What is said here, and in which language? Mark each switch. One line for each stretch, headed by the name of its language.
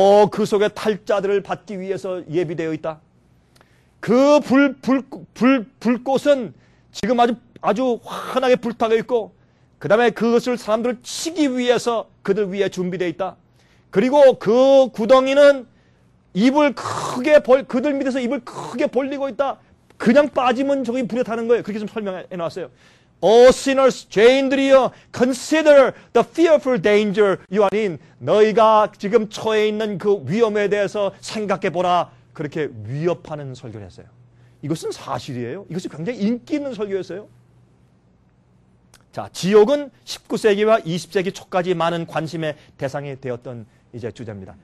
Korean: 그 속에 탈자들을 받기 위해서 예비되어 있다. 그 불꽃은 지금 아주 환하게 불타고 있고 그 다음에 그것을 사람들을 치기 위해서 그들 위해 준비되어 있다. 그리고 그 구덩이는 입을 크게 그들 밑에서 입을 크게 벌리고 있다. 그냥 빠지면 저기 불에 타는 거예요. 그렇게 좀 설명해 놨어요.
English: All sinners,
Korean: 죄인들이여,
English: consider the fearful danger you are in.
Korean: 너희가 지금 처해 있는 그 위험에 대해서 생각해 보라. 그렇게 위협하는 설교를 했어요. 이것은 사실이에요. 이것이 굉장히 인기 있는 설교였어요. 자, 지옥은 19세기와 20세기 초까지 많은 관심의 대상이 되었던 이제 주제입니다.